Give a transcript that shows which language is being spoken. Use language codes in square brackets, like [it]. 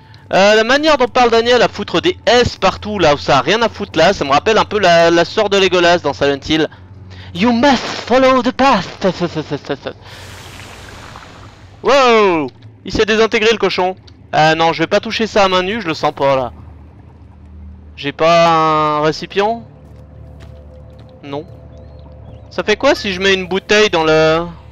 [fr] La manière dont parle Daniel à foutre des S partout là où ça a rien à foutre là, ça me rappelle un peu la sœur de Legolas dans Silent Hill. [en] You must follow the path. [fr] Wow, il s'est désintégré le cochon. Non, je vais pas toucher ça à main nue, je le sens pas là. J'ai pas un récipient? Non. Ça fait quoi si je mets une bouteille dans le...